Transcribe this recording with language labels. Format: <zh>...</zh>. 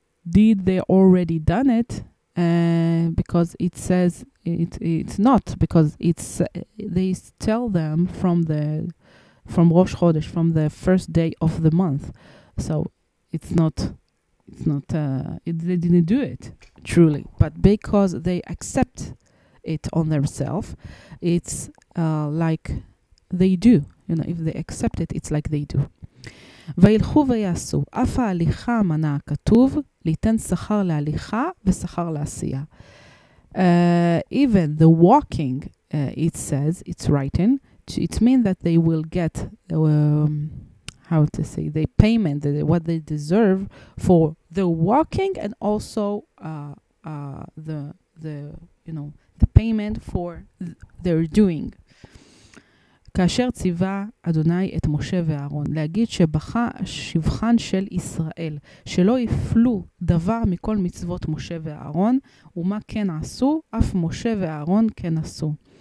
<en>Did they already done it? Because it says it's not, because it's they tell them from Rosh Chodesh, from the first day of the month, so they didn't do it truly, but because they accept it on themselves, it's like they do, you know, if they accept it, it's like they do.</en> <he>וילכו ויעשו, אף ההליכה מנה כתוב, ליתן שכר להליכה ושכר לעשייה.</he> <en>Even the walking, it says, it's written, it means that they will get, the payment, what they deserve for the walking, and also the payment for their doing.</en> <he>כאשר ציווה אדוני את משה ואהרון להגיד שבכה שבחן של ישראל שלא יפלו דבר מכל מצוות משה ואהרון ומה כן עשו אף משה ואהרון כן עשו.</he>